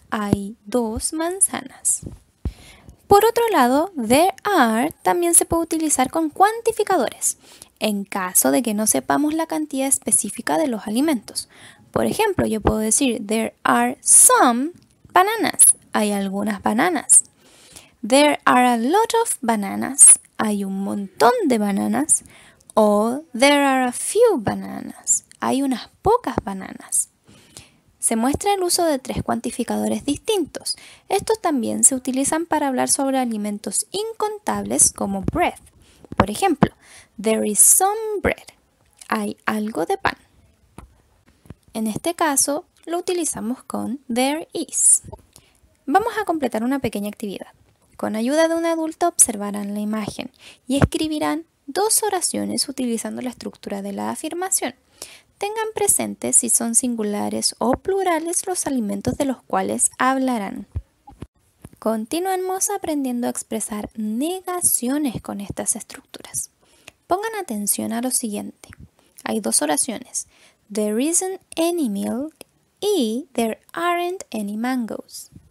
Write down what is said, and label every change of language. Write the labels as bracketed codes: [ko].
[es] Hay dos manzanas. Por otro lado, there are también se puede utilizar con cuantificadores, en caso de que no sepamos la cantidad específica de los alimentos. Por ejemplo, yo puedo decir [en] there are some bananas. [es] Hay algunas bananas. [en] There are a lot of bananas. [es] Hay un montón de bananas. [en] O, there are a few bananas. [es] Hay unas pocas bananas. Se muestra el uso de tres cuantificadores distintos. Estos también se utilizan para hablar sobre alimentos incontables como bread. Por ejemplo, [en] there is some bread. [es] Hay algo de pan. En este caso, lo utilizamos con there is. Vamos a completar una pequeña actividad. Con ayuda de un adulto observarán la imagen y escribirán dos oraciones utilizando la estructura de la afirmación. Tengan presente si son singulares o plurales los alimentos de los cuales hablarán. Continuemos aprendiendo a expresar negaciones con estas estructuras. Pongan atención a lo siguiente. Hay dos oraciones. [en] There isn't any milk y there aren't any mangoes.